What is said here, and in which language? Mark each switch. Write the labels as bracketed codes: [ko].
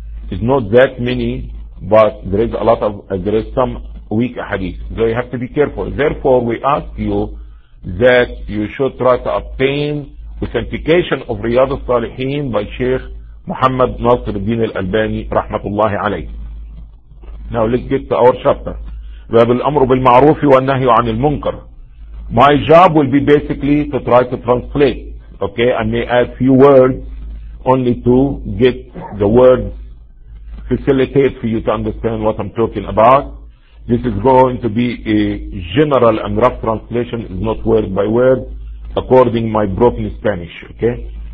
[en] It's not that many, but there is a lot of, there is some weak hadith. So you have to be careful. Therefore, we ask you that you should try to obtain authentication of Riyad al-Salihin by Sheikh Muhammad Nasir Din al-Albani, rahmatullahi alayhi. Now let's get to our chapter. [ar] باب الأمر بالمعروف والنهي عن المنكر. [en] My job will be basically to try to translate, okay, I may add few words only to get the words facilitate for you to understand what I'm talking about. This is going to be a general and rough translation, is not word by word, according my broken Spanish, okay.